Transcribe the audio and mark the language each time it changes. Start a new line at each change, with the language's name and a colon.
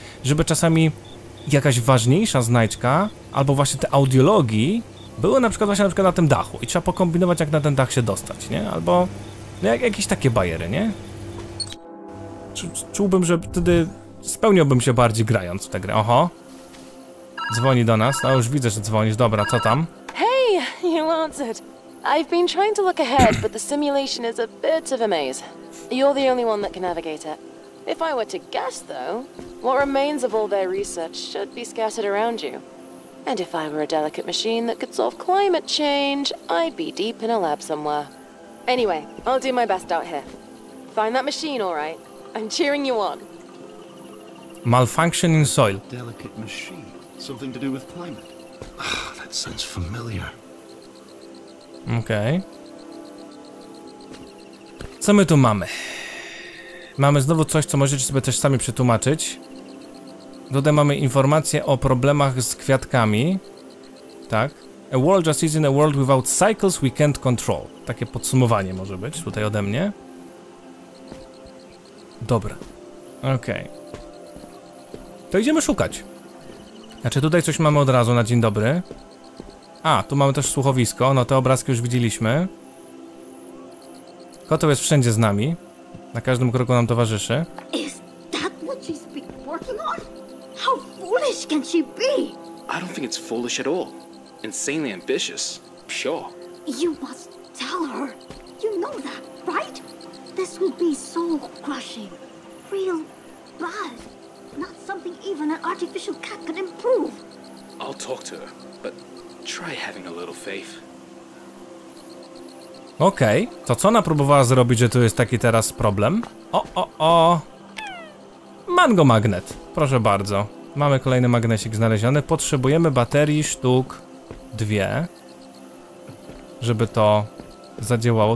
Polish: Żeby czasami jakaś ważniejsza znajdźka, albo właśnie te audiologii, były na przykład właśnie na przykład na tym dachu i trzeba pokombinować, jak na ten dach się dostać, nie? Albo no, jakieś takie bajery, nie? Czułbym, że wtedy spełniłbym się bardziej grając w tę grę. Oho. Dzwoni do nas. No już widzę, że dzwonisz. Dobra, co tam?
English: Hey, you answered. I've been trying to look ahead, but the simulation is a bit of a maze. You're the only one that can navigate it. If I were to guess, though, what remains of all their research should be scattered around you. And if I were a delicate machine that could solve climate change, I'd be deep in a lab somewhere. Anyway, I'll do my best out here. Find that machine, all right? I'm cheering you on. Malfunction in soil. Delicate machine. Something to do with climate. Ah, oh, that sounds familiar.
Polish: Okej. Co my tu mamy? Mamy znowu coś, co możecie sobie też sami przetłumaczyć. Tutaj mamy informacje o problemach z kwiatkami. Tak.
English: A world just isn't a world without cycles we can't control.
Polish: Takie podsumowanie może być tutaj ode mnie. Dobra. Okej. To idziemy szukać. Znaczy tutaj coś mamy od razu na dzień dobry. A, tu mamy też słuchowisko. No, te obrazki już widzieliśmy. Kotoł jest wszędzie z nami. Na każdym kroku nam towarzyszy.
English: Is that what she's been working on? How foolish can she be? I don't think it's foolish at all. Insanely ambitious, sure. You must tell her. You know that, right? This will be so crushing. Real bad. Not something even an artificial cat could improve. I'll talk to her, but try having a little faith.
Polish: Okej, okay. To co ona próbowała zrobić, że tu jest taki teraz problem? O! Mango magnet, proszę bardzo. Mamy kolejny magnesik znaleziony. Potrzebujemy baterii sztuk 2, żeby to zadziałało.